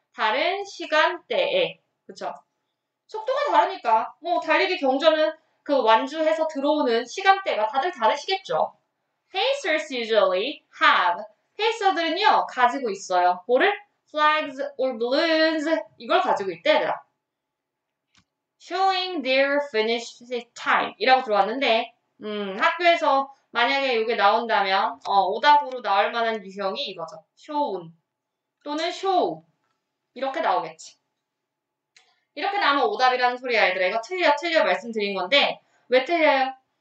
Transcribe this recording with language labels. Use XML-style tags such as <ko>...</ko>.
<ko>다른 시간대에. 그쵸? 속도가 다르니까. 뭐, 달리기 경전은 그 완주해서 들어오는 시간대가 다들 다르시겠죠?</ko> <en>Pacers usually have.</en> <ko>페이서들은요, 가지고 있어요. 뭐를?</ko> <en>Flags or balloons.</en> <ko>이걸 가지고 있대, 얘들아.</ko> <en>Showing their finish time.</en> <ko>이라고 들어왔는데, 학교에서 만약에 이게 나온다면, 오답으로 나올 만한 유형이 이거죠. shown. 또는 show. 이렇게 나오겠지. 이렇게 나오면 오답이라는 소리야, 얘들아. 이거 틀려, 틀려 말씀드린 건데, 왜 틀려요?</ko>